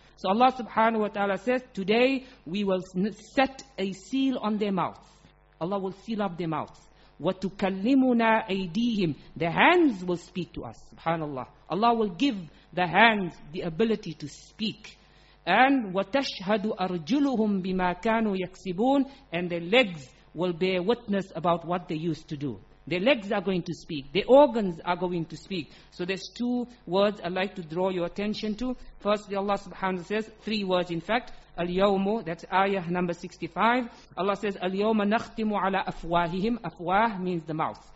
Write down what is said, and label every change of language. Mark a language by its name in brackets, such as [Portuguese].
[English] So Allah subhanahu wa ta'ala says, today we will set a seal on their mouths. Allah will seal up their mouths. [Arabic] وَتُكَلِّمُنَا أَيْدِيهِمْ. [English] The hands will speak to us. Subhanallah. Allah will give the hands the ability to speak. And [Arabic] وَتَشْهَدُ أَرْجُلُهُمْ بِمَا كَانُوا يَكْسِبُونَ. [English] And their legs will bear witness about what they used to do. Their legs are going to speak. Their organs are going to speak. So there's two words I'd like to draw your attention to. Firstly, Allah subhanahu wa ta'ala says, three words in fact, al-yawmu, that's ayah number 65. Allah says, [Arabic] al-yawma nakhtimu ala afwahihim. [English] Afwah means the mouth.